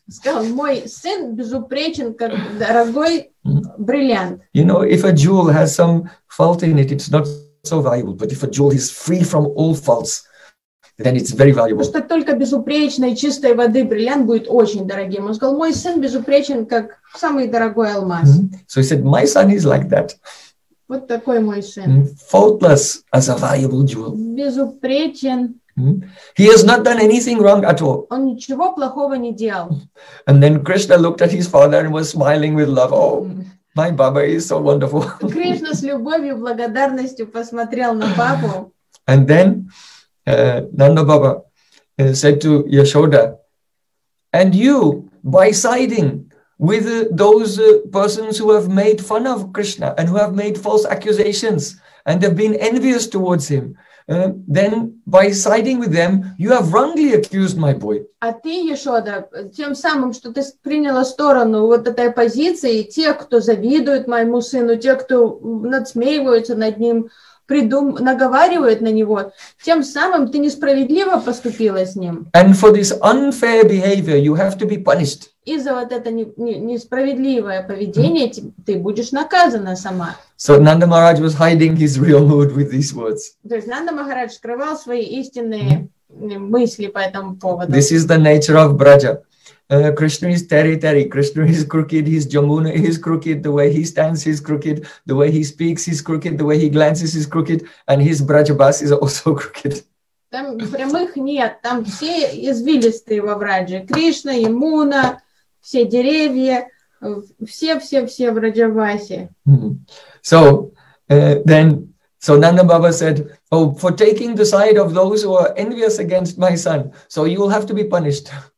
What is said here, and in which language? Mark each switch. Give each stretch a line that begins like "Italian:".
Russian: Сказал, мой сын безупречен, как дорогой бриллиант.
English: You know, if a jewel has some fault in it, it's not so valuable. But if a jewel is free from all faults, then it's very valuable.
Russian: Потому что только безупречной чистой воды бриллиант будет очень дорогим. Он сказал, мой сын безупречен, как самый дорогой алмаз.
English: So he said, my son is like that.
Russian: Вот такой мой сын.
English: Faultless as a valuable jewel.
Russian: Безупречен.
English: He has not done anything wrong at all.
Russian: Он ничего плохого не делал.
English: And then Krishna looked at his father and was smiling with love. Oh, my Baba is so wonderful.
Russian: Кришна с любовью, благодарностью посмотрел на папу.
English: And then Nanda Baba said to Yashoda, "And you, by siding with those persons who have made fun of Krishna and who have made false accusations and have been envious towards him, then by siding with them, you have wrongly accused my boy."
Russian: А ты, Яшода, тем самым, что ты приняла сторону вот этой позиции, те, кто завидуют моему сыну, те, кто надсмеиваются над ним, наговаривают на него, тем самым ты несправедливо поступила с ним.
English: And for this unfair behavior, you have to be punished.
Russian: И за вот это несправедливое поведение ты будешь наказана сама.
English: So Nanda Maharaj was hiding his real mood with these words.
Russian: То есть Нанда Махарадж скрывал свои истинные мысли по этому поводу.
English: This is the nature of Braja. Krishna is teri-teri. Krishna is crooked. His Jamuna is crooked. The way he stands is crooked. The way he speaks is crooked. The way he glances is crooked. And his Brajabas is also crooked.
Russian: Там прямых нет. Там все извилистые во Брадже. Кришна, Ямуна, все деревья, все-все-все в Раджабасе.
English: So then, so Nanda Baba said, "Oh, for taking the side of those who are envious against my son, so you will have to be punished."